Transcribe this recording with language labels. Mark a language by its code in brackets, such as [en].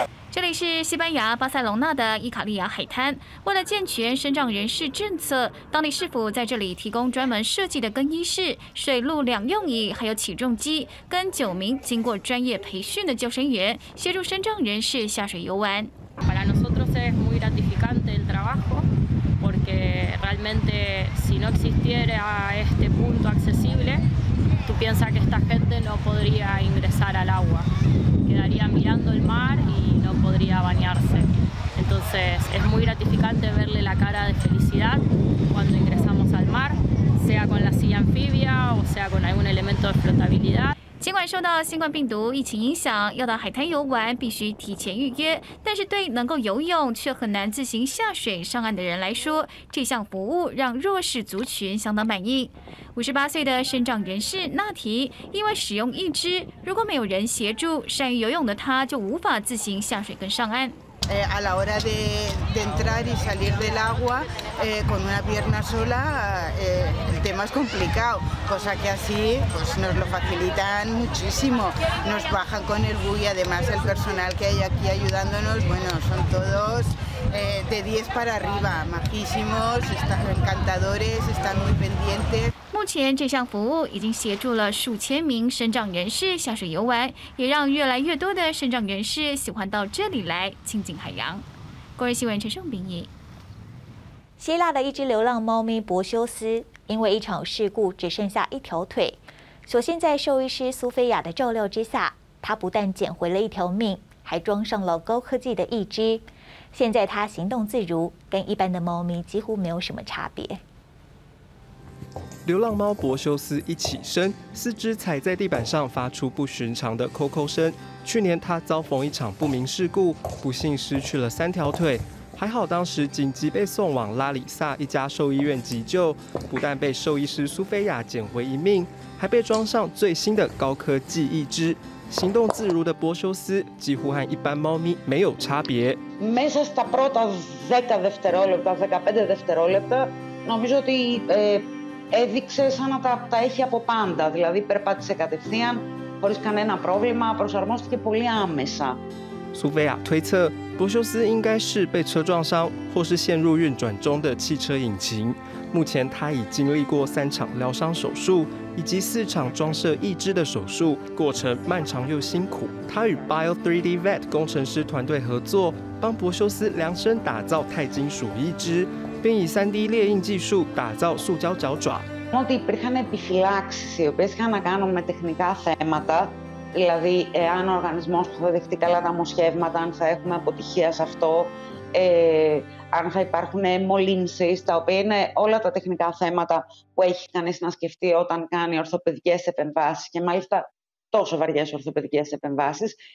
[zh] 这里是西班牙巴塞隆纳的伊卡利亚海滩。为了健全身障人士政策，当地市府在这里提供专门设计的更衣室、水陆两用椅，还有起重机，跟九名经过专业培训的救生员协助身障人士下水游玩。 [es] Para nosotros es muy gratificante el trabajo, porque realmente si no existiera este punto accesible,Tú piensas que esta gente no podría ingresar al agua, quedaría mirando el mar y no podría bañarse. Entonces es muy gratificante verle la cara de felicidad cuando ingresamos al mar, sea con la silla anfibia o sea con algún elemento de flotabilidad. [zh] 尽管受到新冠病毒疫情影响，要到海滩游玩必须提前预约，但是对能够游泳却很难自行下水上岸的人来说，这项服务让弱势族群相当满意。 58岁的身障人士纳提因为使用一只，如果没有人协助，善于游泳的他就无法自行下水跟上岸。 [es] A la hora de entrar y salir del agua con una pierna sola, el tema es complicado, cosa que así pues nos lo facilitan muchísimo. Nos bajan con el buggy, además el personal que hay aquí ayudándonos, bueno, son todos de 10 para arriba, majísimos, están encantadores, están muy pendientes. [zh] 目前这项服务已经协助了数千名身障人士下水游玩，也让越来越多的身障人士喜欢到这里来亲近海洋。国人新闻陈胜斌译。希腊的一只流浪猫咪博修斯因为一场事故只剩下一条腿，所幸在兽医师苏菲亚的照料之下，他不但捡回了一条命，还装上了高科技的义肢，现在他行动自如，跟一般的猫咪几乎没有什么差别。流浪猫博修斯一起身，四肢踩在地板上发出不寻常的叩叩声。去年他遭逢一场不明事故，不幸失去了三条腿，还好当时紧急被送往拉里萨一家兽医院急救，不但被兽医师苏菲亚捡回一命，还被装上最新的高科技义肢。行动自如的博修斯几乎和一般猫咪没有差别。 [el] Μέσα στα πρώτα 10 δευτερόλεπτα, 15 δευτερόλεπτα, νομίζω ότι έδειξε σαν να τα έχει από πάντα. Δηλαδή περπάτησε κατευθείαν, χωρίς κανένα πρόβλημα, προσαρμόστηκε πολύ άμεσα. [zh] Σουβέα 推测，博修斯应该是被车撞伤，或是陷入运转中的汽车引擎。目前他已经历过三场疗伤手术，以及四场装设义肢的手术，过程漫长又辛苦。他与 Bio3D Vet 工程师团队合作，帮博修斯量身打造钛金属义肢，并以 3D 列印技术打造塑胶脚爪。 [el] Ότι υπήρχαν επιφυλάξεις οι οποίες είχαν να κάνουν με τεχνικά θέματα, δηλαδή εάν ο οργανισμός θα δεχτεί καλά τα μοσχεύματα, αν θα έχουμε αποτυχία σε αυτό, αν θα υπάρχουν μολύνσεις, τα οποία είναι όλα τα τεχνικά θέματα που έχει κανείς να σκεφτεί όταν κάνει ορθοπαιδικές επεμβάσεις και μάλιστα τόσο βαριές ορθοπαιδικές επεμβάσεις.